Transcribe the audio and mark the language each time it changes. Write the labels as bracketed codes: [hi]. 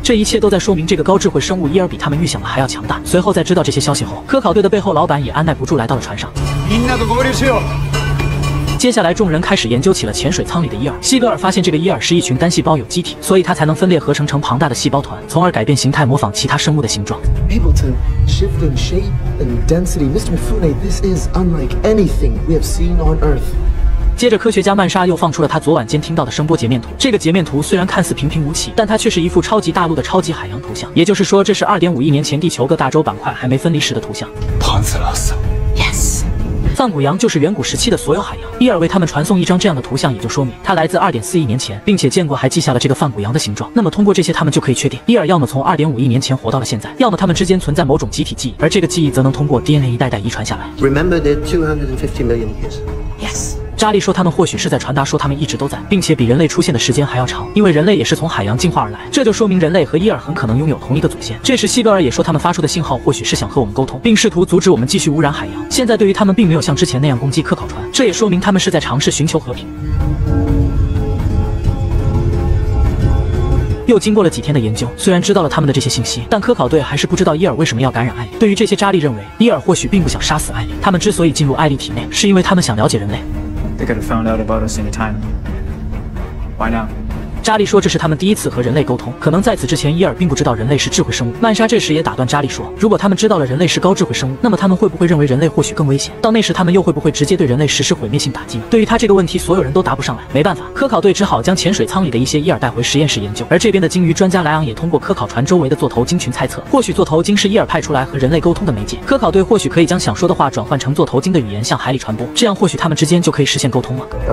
[zh] 这一切都在说明这个高智慧生物伊尔比他们预想的还要强大。随后在知道这些消息后，科考队的背后老板也按耐不住来到了船上。接下来众人开始研究起了潜水舱里的伊尔。西格尔发现这个伊尔是一群单细胞有机体，所以它才能分裂合成成庞大的细胞团，从而改变形态模仿其他生物的形状。 [en] Able to shift in shape and density, Mr. Mifune, this is unlike anything we have seen on Earth. [zh] 接着科学家曼莎又放出了他昨晚间听到的声波截面图，这个截面图虽然看似平平无奇，但它却是一幅超级大陆的超级海洋图像，也就是说这是 2.5 亿年前地球各大洲板块还没分离时的图像。 Panzerlas [en] Yes. [zh] 梵谷洋就是远古时期的所有海洋，伊尔为他们传送一张这样的图像，也就说明它来自 2.4 亿年前，并且见过还记下了这个梵谷洋的形状。那么通过这些，他们就可以确定伊尔要么从 2.5 亿年前活到了现在，要么他们之间存在某种集体记忆，而这个记忆则能通过 DNA 一代代遗传下来。 [en] Remember the 250 million years? Yes. [zh] 扎莉说他们或许是在传达说他们一直都在，并且比人类出现的时间还要长，因为人类也是从海洋进化而来，这就说明人类和伊尔很可能拥有同一个祖先。这时西格尔也说他们发出的信号或许是想和我们沟通，并试图阻止我们继续污染海洋，现在对于他们并没有像之前那样攻击科考船，这也说明他们是在尝试寻求和平。又经过了几天的研究，虽然知道了他们的这些信息，但科考队还是不知道伊尔为什么要感染艾莉。对于这些，扎莉认为伊尔或许并不想杀死艾莉，他们之所以进入艾莉体内是因为他们想了解人类。 [en] They could have found out about us any time. Why now? [zh] 扎莉说这是他们第一次和人类沟通，可能在此之前伊尔并不知道人类是智慧生物。曼莎这时也打断扎莉说，如果他们知道了人类是高智慧生物，那么他们会不会认为人类或许更危险，到那时他们又会不会直接对人类实施毁灭性打击？对于他这个问题所有人都答不上来。没办法，科考队只好将潜水舱里的一些伊尔带回实验室研究。而这边的鲸鱼专家莱昂也通过科考船周围的座头鲸群猜测，或许座头鲸是伊尔派出来和人类沟通的媒介，科考队或许可以将想说的话转换成座头鲸的语言向海里传播，这样或许他们之间就可以实现沟通了。